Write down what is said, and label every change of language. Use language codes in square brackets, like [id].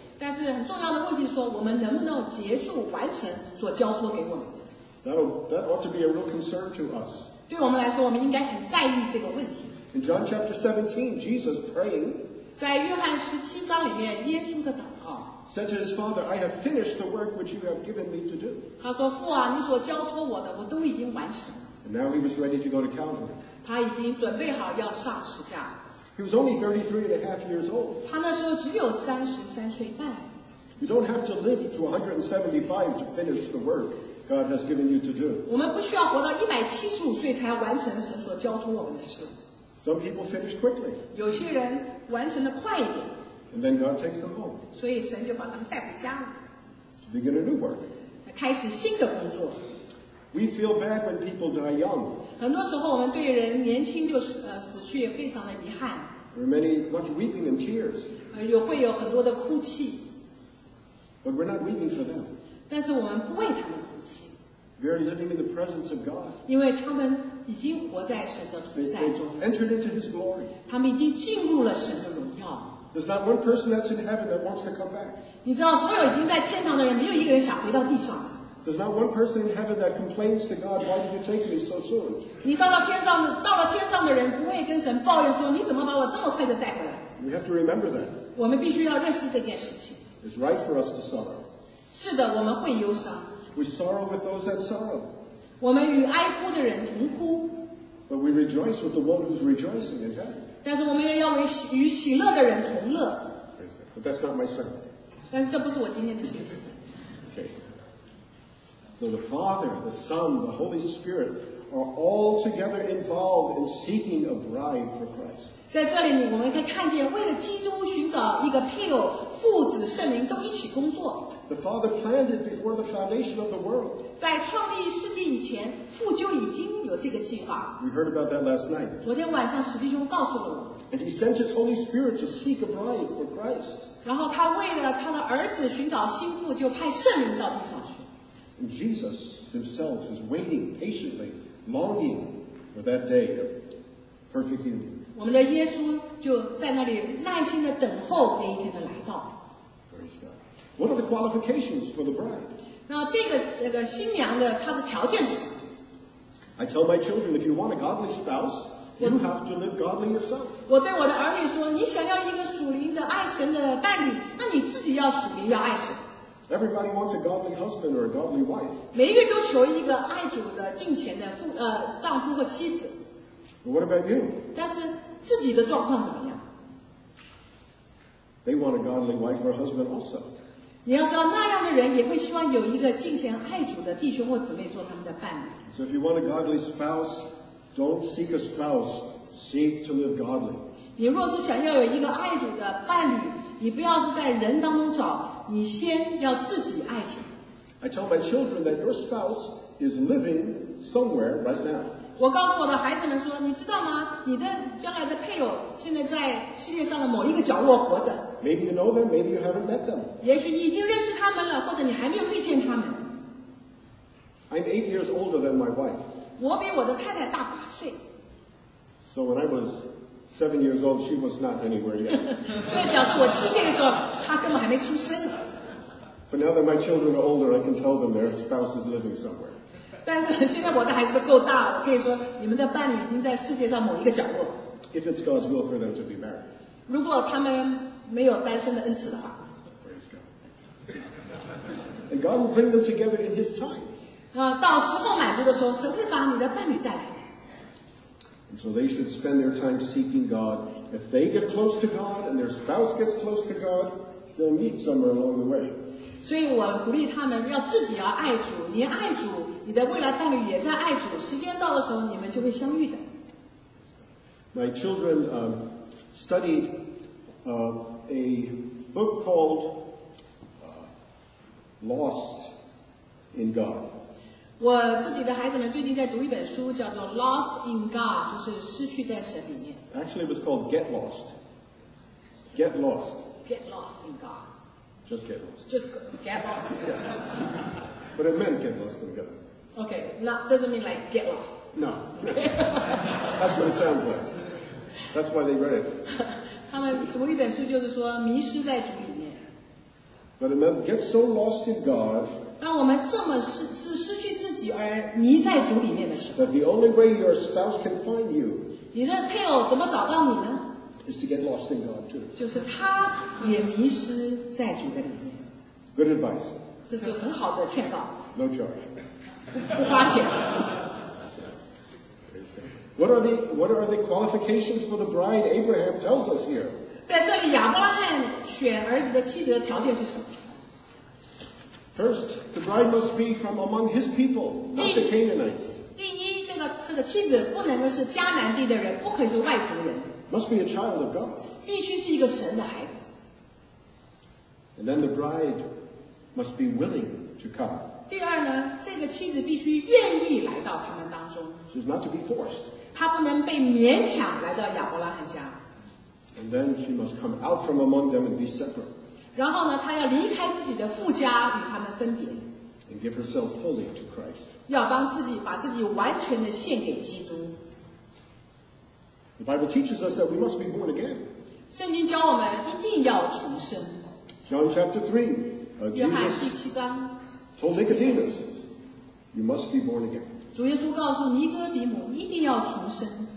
[zh] 但是很重要的问题说，我们能不能结束完成所交托给我们？ [en] That ought to be a real concern to us. [zh] 对我们来说，我们应该很在意这个问题。 [en] In John chapter 17, Jesus praying. [zh] 在约翰十七章里面，耶稣的祷告。 [en] said to his father, I have finished the work which you have given me to do. [zh] 他说父啊，你所交托我的，我都已经完成了。 [en] And now he was ready to go to Calvary. [zh] 他已经准备好要上十架。 [en] He was only 33 and a half years old. [zh] 他那时候只有33岁半。 [en] You don't have to live to 175 to finish the work God has given you to do. [zh] 我们不需要活到175岁才完成神所交托我们的事。 [en] Some people finish quickly. [zh] 有些人完成的快一点。 [en] And then God takes them home. [zh] 所以神就把他们带回家了。 [en] To begin a new work. [zh] 开始新的工作。 [en] We feel bad when people die young. [zh] 很多时候我们对人年轻就死去也非常的遗憾。 [en] There are many much weeping and tears. [zh] 会有很多的哭泣。 [en] But we're not weeping for them. [zh] 但是我们不为他们哭泣。 [en] We're living in the presence of God. [zh] 因为他们已经活在神的同在。 [en] They entered into His glory. [zh] 他们已经进入了神的荣耀。 [en] There's not one person that's in heaven that wants to come back. [zh] 你知道，所有已经在天堂的人，没有一个人想回到地上。 [en] There's not one person in heaven that complains to God, why did you take me so soon? [zh] 你到了天上的人不会跟神抱怨说，你怎么把我这么快的带回来？ [en] We have to remember that. [zh] 我们必须要认识这件事情。 [en] It's right for us to sorrow. [zh] 是的，我们会忧伤。 [en] We sorrow with those that sorrow. [zh] 我们与哀哭的人同哭。 [en] But we rejoice with the one who's rejoicing in heaven. [zh] 但是我们也要与喜乐的人同乐。 [en] But that's not my sermon. [zh] 但是这不是我今天的信息。 [en] So the Father, the Son, the Holy Spirit are all together involved in seeking a bride for Christ. [zh] 在这里我们可以看见为了基督寻找一个配偶父子圣灵都一起工作。 [en] The Father planned it before the foundation of the world. [zh] 在创立世纪以前父就已经有这个计划。 [en] We heard about that last night. [zh] 昨天晚上史弟兄告诉了我。 [en] And he sent his Holy Spirit to seek a bride for Christ. [zh] 然后他为了他的儿子寻找心腹就派圣灵到地上去。 [en] Jesus himself is waiting patiently, longing for that day of perfect union. [zh] 我们的耶稣就在那里耐心地等候那一天的来到。 [en] Praise God. What are the qualifications for the bride? [zh] 那这个新娘的她的条件是什么？ [en] I tell my children, if you want a godly spouse, you have to live godly yourself. [zh] 我对我的儿女说，你想要一个属灵的爱神的伴侣，那你自己要属灵，要爱神。 [en] Everybody wants a godly husband or a godly wife. [zh] 每一个都求一个爱主的敬虔的丈夫或妻子。 [en] What about you? [zh] 但是自己的状况怎么样？ [en] They want a godly wife or husband also. [zh] 你要知道，那样的人也会希望有一个敬虔爱主的弟兄或姊妹做他们的伴侣。 [en] So if you want a godly spouse, don't seek a spouse, seek to live godly. [zh] 你若是想要有一个爱主的伴侣，你不要是在人当中找。你先要自己爱主。 [en] I tell my children that your spouse is living somewhere right now. [zh] 我告诉我的孩子们说，你知道吗？你的将来的配偶现在在世界上的某一个角落活着。 [en] Maybe you know them, maybe you haven't met them. [zh] 也许你已经认识他们了，或者你还没有遇见他们。 [en] I'm 8 years older than my wife. [zh] 我比我的太太大八岁。 [en] So when I was 7 years old, she was not anywhere yet. [zh] 所以表示我七岁的时候，她根本还没出生。 [en] But now that my children are older, I can tell them their spouse is living somewhere. [zh] 但是现在我的孩子都够大了，可以说你们的伴侣已经在世界上某一个角落。 [en] If it's God's will for them to be married. [zh] 如果他们没有单身的恩赐的话。 [en] Praise God. And God will bring them together in His time. [zh] 到时候满足的时候，神会把你的伴侣带来。 [en] And so they should spend their time seeking God. If they get close to God and their spouse gets close to God, they'll meet somewhere along the way. [zh] 所以我鼓励他们要自己要爱主，你爱主，你的未来伴侣也在爱主，时间到的时候你们就会相遇的。 [en] My children studied a book called Lost in God. [zh] 我自己的孩子们最近在读一本书，叫做 Lost in God， 就是失去在神里面。 [en] Actually, it was called Get Lost. Get Lost. Get Lost in God. Just get lost. Just get lost. Yeah. But it meant get lost in God. Okay, not doesn't mean like get lost. No. That's what it sounds like. That's why they read it. [zh] 他们读一本书就是说迷失在主里面。 [en] But it meant get so lost in God. [zh] 当我们这么 失去自己而迷在主里面的时候 [en] the only way your spouse can find you, [zh] 你的配偶怎么找到你呢 [en] is to get lost in God too. [zh] 就是他也迷失在主的里面。 [en] Good advice. [zh] 这是很好的劝告。 [en] No charge. [zh] 不花钱。 [en] What are the qualifications for the bride Abraham tells us here? [zh] 在这里亚伯拉罕选儿子的妻子的条件是什么？ [en] First, the bride must be from among his people, not the Canaanites. [zh] 第一，这个妻子不能是迦南地的人，不可以是外族人。 [en] Must be a child of God. [zh] 必须是一个神的孩子。 [en] And then the bride must be willing to come. [zh] 第二呢，这个妻子必须愿意来到他们当中。 [en] She's not to be forced. [zh] 她不能被勉强来到亚伯拉罕家。 [en] And then she must come out from among them and be separate. [zh] 然后呢，她要离开自己的父家，与他们分别。 [en] And give herself fully to Christ. [zh] 要把自己完全的献给基督。 [en] The Bible teaches us that we must be born again. [zh] 圣经教我们一定要重生。 [en] John chapter 3, Jesus told Nicodemus, you must be born again. [zh] 主耶稣告诉尼哥底母一定要重生。